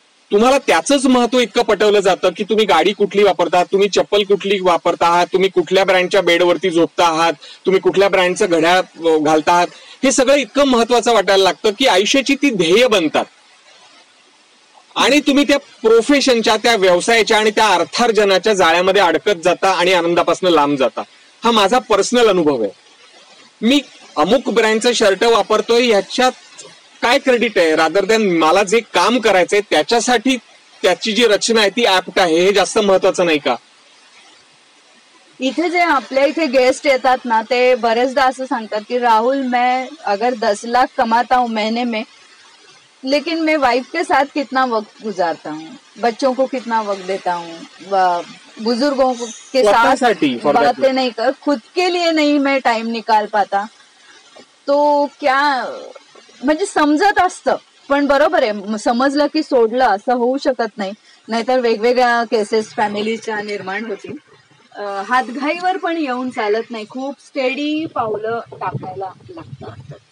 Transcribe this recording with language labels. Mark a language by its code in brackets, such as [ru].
[mr] तुम्हाला त्याचंच महत्व इतकं पटवलं जातं की तुम्ही गाडी कुठली वापरता, तुम्ही चप्पल कुठली वापरता आहात, तुम्ही कुठल्या ब्रँडच्या बेडवरती झोपता आहात, तुम्ही कुठल्या ब्रँडचं घड्याळ घालता आहात, हे सगळं इतकं महत्वाचं वाटायला लागतं की आयुष्याची ती ध्येय बनतात आणि तुम्ही त्या प्रोफेशनच्या, त्या व्यवसायाच्या आणि त्या अर्थार्जनाच्या जाळ्यामध्ये अडकत जाता आणि आनंदापासून लांब जाता. हा माझा पर्सनल अनुभव आहे. मी अमुक ब्रँडचं शर्ट वापरतोय ह्याच्यात काय क्रेडिट आहे, रादर दॅन मला जे काम करायचंय त्याच्यासाठी त्याची जी रचना आहे ती ऍप्ट आहे हे जास्त महत्वाचं नाही का? इथे जे आपल्या इथे गेस्ट येतात ना ते बरेचदा असं सांगतात की राहुल [hi] मैं अगर 10 लाख कमाता हूं महीने में लेकिन मैं वाइफ के साथ कितना वक्त गुजारता हूँ, बच्चों को कितना वक्त देता हूँ, बुजुर्गों के साथ बातें नहीं कर, खुद के लिए नहीं मैं टाइम निकाल पाता. [mr] तो क्या म्हणजे समजत असतं पण बरोबर आहे, समजलं की सोडलं असं होऊ शकत नाहीतर वेगवेगळ्या केसेस फॅमिलीच्या निर्माण होतील. हातघाईवर पण येऊन चालत नाही, खूप स्टेडी पावलं टाकायला लागतात.